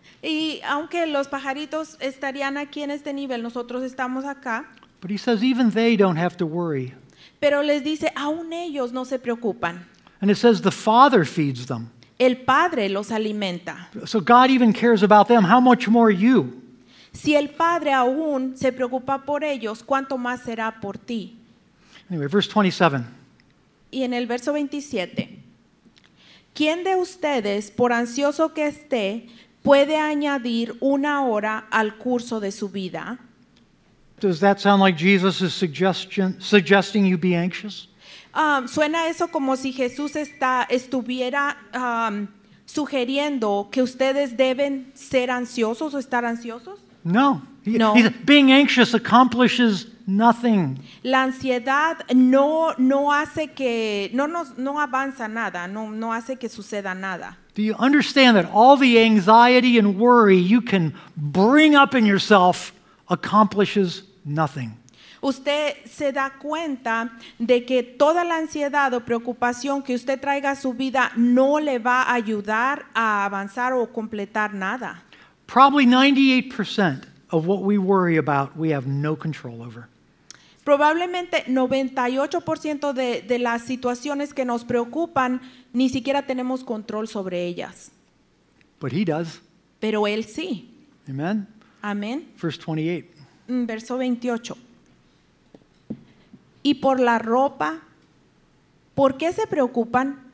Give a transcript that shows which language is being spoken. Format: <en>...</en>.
<es>Y aunque los pajaritos estarían aquí en este nivel, nosotros estamos acá.</es> <en>But he says even they don't have to worry.</en> <es>Pero les dice, aún ellos no se preocupan.</es> <en>And it says the Father feeds them.</en> <es>El Padre los alimenta.</es> <en>So God even cares about them. How much more you?</en> <es>Si el Padre aún se preocupa por ellos, ¿cuánto más será por ti?</es> <en>Anyway, verse 27.</en> <es>Y en el verso 27. ¿Quién de ustedes, por ansioso que esté, puede añadir una hora al curso de su vida?</es> <en>Does that sound like Jesus's suggesting you be anxious?</en> <es>Suena eso como si Jesús estuviera sugiriendo que ustedes deben ser ansiosos o estar ansiosos?</es> <en>No.</en> <es>No.</es> <en>Being anxious accomplishes nothing.</en> <es>La ansiedad no hace que no avanza nada, no hace que suceda nada.</es> <en>Do you understand that all the anxiety and worry you can bring up in yourself accomplishes nothing?</en> <es>Usted se da cuenta de que toda la ansiedad o preocupación que usted traiga a su vida no le va a ayudar a avanzar o completar nada.</es> <en>Probably 98% of what we worry about, we have no control over.</en> <es>Probablemente 98% de las situaciones que nos preocupan ni siquiera tenemos control sobre ellas.</es> <en>But he does.</en> <es>Pero él sí.</es> <en>Amen.</en> <es>Amen.</es> <en>Verse 28.</en> <es>Verso 28. Y por la ropa, ¿por qué se preocupan?</es>